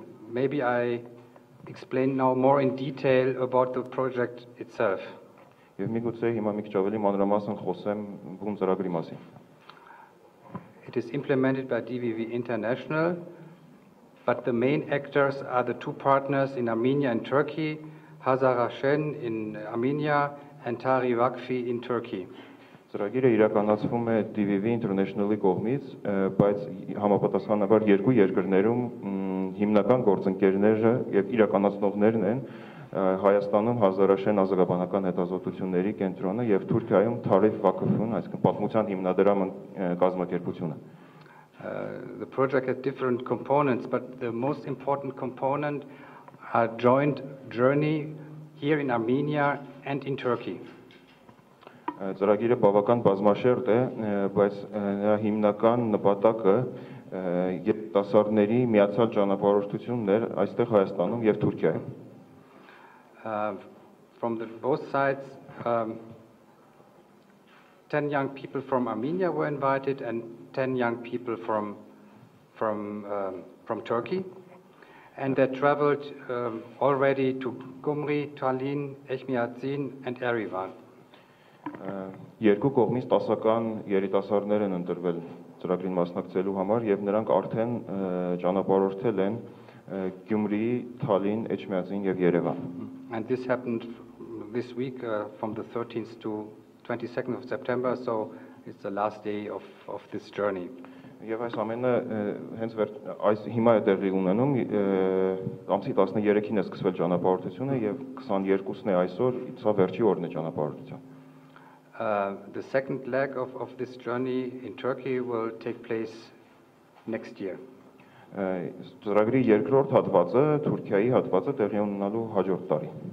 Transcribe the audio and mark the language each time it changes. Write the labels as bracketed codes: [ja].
[en] Maybe I explain now more in detail about the project itself. [hy] Եվ միգուցե հիմա մի քիչ ավելի մանրամասն խոսեմ բուն ծրագրի մասին. [en] It is implemented by DVV International, but the main actors are the two partners in Armenia and Turkey, Hazara Shen in Armenia and Tari Vakfi in Turkey. [hy] Ծրագիրը իրականացվում է DVV International-ի կողմից, բայց համապատասխանաբար երկու երկրներում հիմնական գործընկերները եւ իրականացնողներն են Հայաստանում Հազարաշեն ազգաբանական հետազոտությունների կենտրոնը եւ Թուրքիայում Թարիֆ Վակֆուն, այսինքն պատմության հիմնադրամը կազմակերպությունը։ [en] The project has different components, but the most important component are joint journey here in Armenia and in Turkey. [hy] Ծրագիրը բավական բազմաշերտ է, բայց նրա հիմնական նպատակը երիտասարդների միացյալ ճանապարհորդությունն է այստեղ Հայաստանում եւ Թուրքիայում։ [en] From the both sides, 10 young people from Armenia were invited and 10 young people from Turkey, and they traveled already to Gumri, Tallinn, Echmiadzin and Erivan. [hy] Երկու կողմից 10-ական երիտասարդներ են ընտրվել ծրագրին մասնակցելու համար եւ նրանք արդեն ճանապարհորդել են Գյումրի, Թալին, Էջմիածին եւ Երևան։ [en] And this happened this week from the 13th to 22nd of September, so it's the last day of this journey. [hy] Եվ այս ամենը հենց այս հիմա է տեղի ունենում, ամսի 13-ին է սկսվել ճանապարհորդությունը եւ 22-ն է այսօր, ցա վերջի օրն է ճանապարհորդության։ [en] The second leg of this journey in Turkey will take place next year. [hy] Ծրագրի երկրորդ հատվածը Թուրքիայի հատվածը տեղի ունենալու հաջորդ տարի։